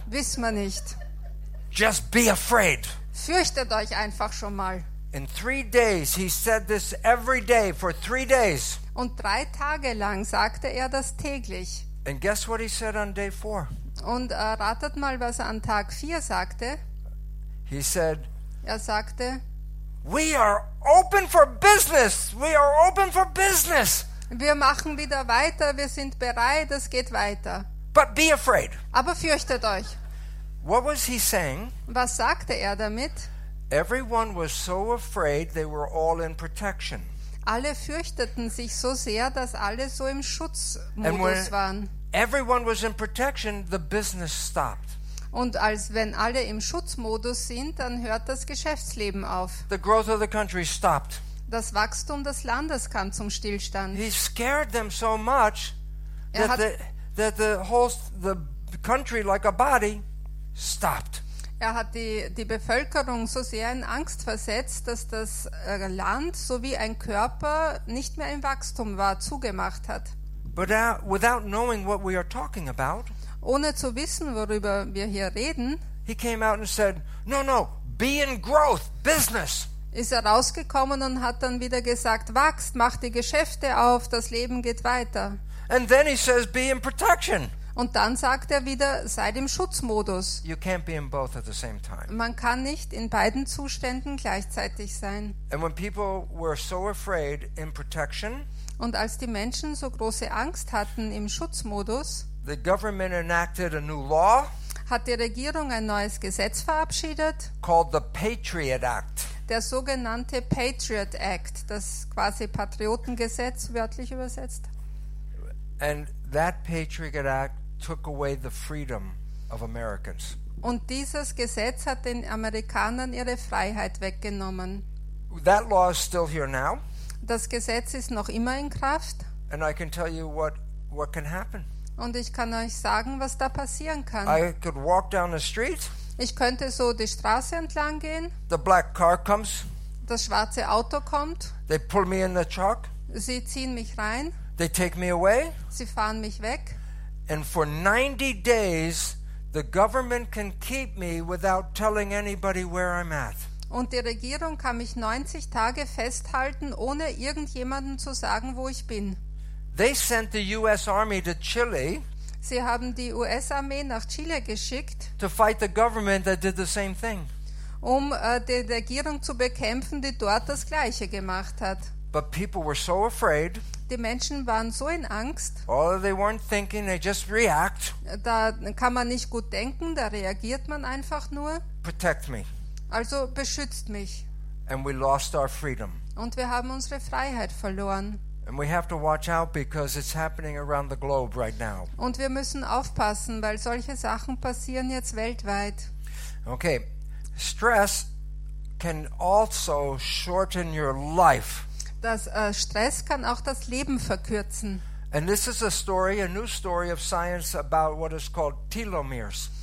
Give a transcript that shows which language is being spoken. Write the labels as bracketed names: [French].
[German] Wissen wir nicht. [English] Just be afraid. [German] Fürchtet euch einfach schon mal. [English] In 3 days, he said this every day for 3 days. [German] Und 3 Tage lang sagte er das täglich. [English] And guess what he said on day 4? [German] Und ratet mal, was er an Tag 4 sagte. [English] He said, [German] er sagte, [English] we are open for business. We are open for business. [German] Wir machen wieder weiter, wir sind bereit, es geht weiter. [English] But be afraid. [German] Aber fürchtet euch. [English] What was he saying? [German] Was sagte er damit? [English] Everyone was so afraid, they were all in protection. [German] Alle fürchteten sich so sehr, dass alle so im Schutzmodus waren. [English] Everyone was in protection, the business stopped. [German] Und als wenn alle im Schutzmodus sind, dann hört das Geschäftsleben auf. [English] The growth of the country stopped. [German] Das Wachstum des Landes kam zum Stillstand. [English] He scared them so much that the whole the country like a body stopped. [German] Er hat die Bevölkerung so sehr in Angst versetzt, dass das Land sowie ein Körper nicht mehr im Wachstum war, zugemacht hat. [English] But without knowing what we are talking about, [German] ohne zu wissen, worüber wir hier reden, [English] he came out and said, no, no, be in growth, business. [German] Ist er rausgekommen und hat dann wieder gesagt, wachst, mach die Geschäfte auf, das Leben geht weiter. [English] And then he says, be in protection. [German] Und dann sagt er wieder, seid im Schutzmodus. [English] You can't be in both at the same time. [German] Man kann nicht in beiden Zuständen gleichzeitig sein. [English] And when people were so afraid in protection, [German] und als die Menschen so große Angst hatten im Schutzmodus, [English] the government enacted a new law, [German] hat die Regierung ein neues Gesetz verabschiedet, [English] called the Patriot Act. [German] Der sogenannte Patriot Act, das quasi Patriotengesetz, wörtlich übersetzt. [English] And that Patriot Act took away the freedom of Americans. [German] Und dieses Gesetz hat den Amerikanern ihre Freiheit weggenommen. [English] That law is still here now. [German] Das Gesetz ist noch immer in Kraft. [English] And I can tell you what can happen. [German] Und ich kann euch sagen, was da passieren kann. [English] I could walk down the street. [German] Ich könnte so die Straße entlang gehen. [English] The black car comes. [German] Das schwarze Auto kommt. [English] They pull me in the truck. [German] Sie ziehen mich rein. [English] They take me away. [German] Sie fahren mich weg. [English] And for 90 days the government can keep me without telling anybody where I'm at. [German] Und die Regierung kann mich 90 Tage festhalten, ohne irgendjemandem zu sagen, wo ich bin. [English] They sent the US Army to Chile. [German] Sie haben die US-Armee nach Chile geschickt. [English] To fight the government that did the same thing. [German] Um die Regierung zu bekämpfen, die dort das gleiche gemacht hat. [English] But people were so afraid. [German] Die Menschen waren so in Angst. [English] Oh, they weren't thinking, they just react. [German] Da kann man nicht gut denken, da reagiert man einfach nur. [English] Protect me. [German] Also beschützt mich. [English] And we lost our freedom. [German] Und wir haben unsere Freiheit verloren. [English] And we have to watch out because it's happening around the globe right now. [German] Und wir müssen aufpassen, weil solche Sachen passieren jetzt weltweit. [English] Okay. Stress can also shorten your life. [German] Das Stress kann auch das Leben verkürzen. [English] And this is a story, a new story of science about what is called telomeres.